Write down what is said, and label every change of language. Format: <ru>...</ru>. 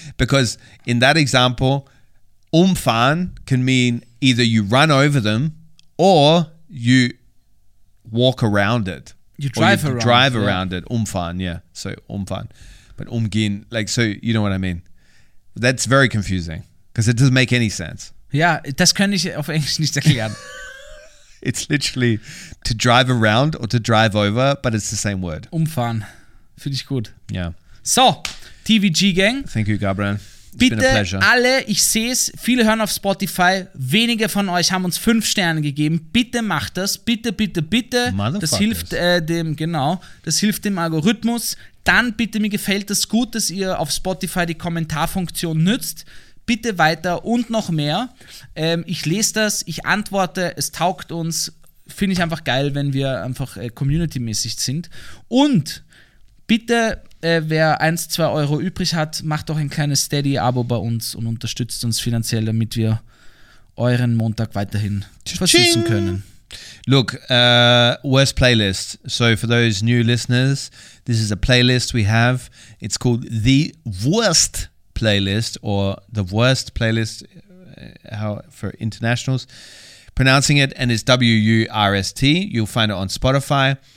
<en>Because in that example, umfahren can mean either you run over them or you walk around it. You drive you around, drive around yeah. it, umfahren, yeah. So umfahren, but umgehen, like so. You know what I mean? That's very confusing because it doesn't make any sense.</en> <de>Yeah, das kann ich auf Englisch nicht erklären.</de> <en>It's literally to drive around or to drive over, but it's the same word.</en> <de>Umfahren, finde ich gut.</de> <en>Yeah. So, TVG Gang. Thank you, Gabriel.</en> <de>Bitte</de> <en>been a pleasure.</en> <de>Alle, ich sehe es, viele hören auf Spotify, wenige von euch haben uns 5 Sterne gegeben. Bitte macht das, bitte, bitte, bitte. Das hilft dem, genau, das hilft dem Algorithmus. Dann bitte, mir gefällt es gut, dass ihr auf Spotify die Kommentarfunktion nützt. Bitte weiter und noch mehr. Ich lese das, ich antworte, es taugt uns. Finde ich einfach geil, wenn wir einfach community-mäßig sind. Und bitte, wer 1-2 Euro übrig hat, macht doch ein kleines Steady-Abo bei uns und unterstützt uns finanziell, damit wir euren Montag weiterhin versüßen können.</de> <en>Look, worst playlist. So for those new listeners, this is a playlist we have. It's called The Worst Playlist or The Worst Playlist how for internationals. Pronouncing it, and it's W-U-R-S-T. You'll find it on Spotify.</en>